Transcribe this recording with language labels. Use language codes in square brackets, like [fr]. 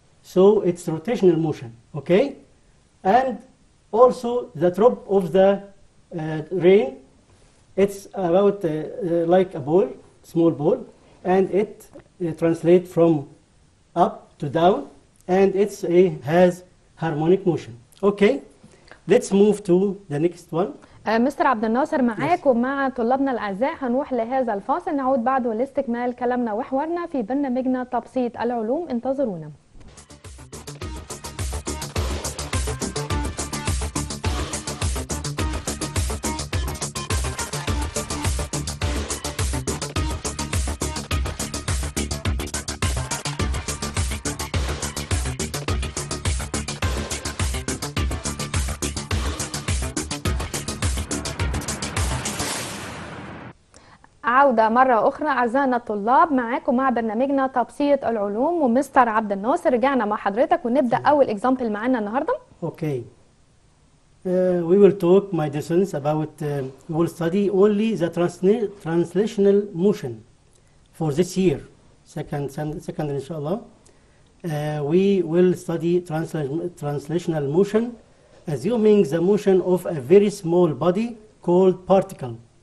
[en] So it's rotational motion, okay? And also the drop of the rain, it's about like a ball, small ball, and it translates from up to down, and it has harmonic motion. Okay, let's move to the next one. [ar] مستر عبد الناصر معاك yes. ومع طلابنا الأعزاء هنروح لهذا الفاصل، نعود بعده لاستكمال كلامنا وحوارنا في برنامجنا تبسيط العلوم، انتظرونا. عودة مرة أخرى أعزائنا الطلاب، معاكم مع برنامجنا تبسيط العلوم ومستر عبد الناصر، رجعنا مع حضرتك ونبدأ أول إكزامبل معانا النهاردة. [en] Okay. We will talk, my dear students, about we will study only the translational motion for this year. Second, inshallah. We will study translational motion, assuming the motion of a very small body called particle.